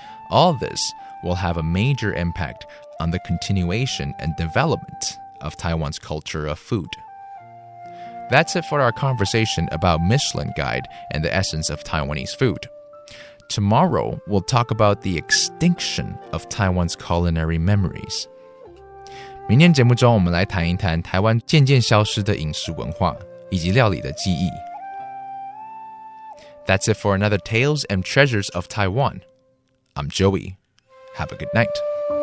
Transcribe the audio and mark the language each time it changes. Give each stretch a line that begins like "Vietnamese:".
English: All this will have a major impact on the continuation and development of Taiwan's culture of food. That's it for our conversation about Michelin Guide and the essence of Taiwanese food. Tomorrow, we'll talk about the extinction of Taiwan's culinary memories.
Chinese: 明天节目中，我们来谈一谈台湾渐渐消失的饮食文化以及料理的记忆。
English: That's it for another Tales and Treasures of Taiwan. I'm Joey. Have a good night.